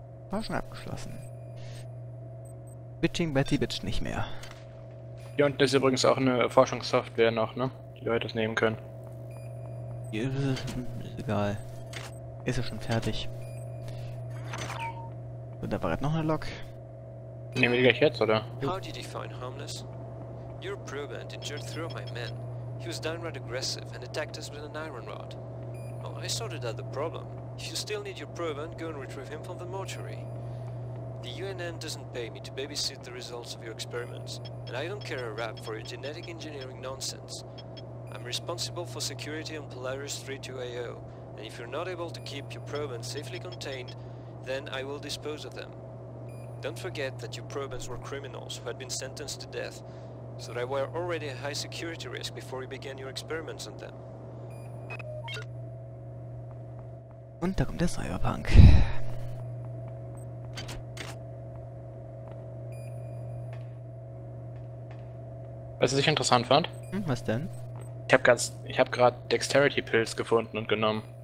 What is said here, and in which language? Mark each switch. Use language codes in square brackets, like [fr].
[de] War schon abgeschlossen. Bitching Betty bitcht nicht mehr. Hier unten ist übrigens auch eine Forschungssoftware noch, ne? Die Leute das nehmen können. Ist egal. Ist ja schon fertig. Und da bereit noch eine Lok. Nehmen wir die gleich jetzt, oder? [en] How did he find harmless? Your probe injured three of my men. He was downright aggressive and attacked us with an iron rod. Well, I sorted out the problem. If you still need your probe, go and retrieve him from the mortuary. The UNN doesn't pay me to babysit the results of your experiments, and I don't care a rap for your genetic engineering nonsense. I'm responsible for security on Polaris 32AO, and if you're not able to keep your probands safely contained, then I will dispose of them. Don't forget that your probands were criminals who had been sentenced to death, so they were already a high security risk before you began your experiments on them. [de] Und da kommt der Cyberpunk. Was ich interessant fand? Was denn? Ich habe gerade Dexterity Pills gefunden und genommen.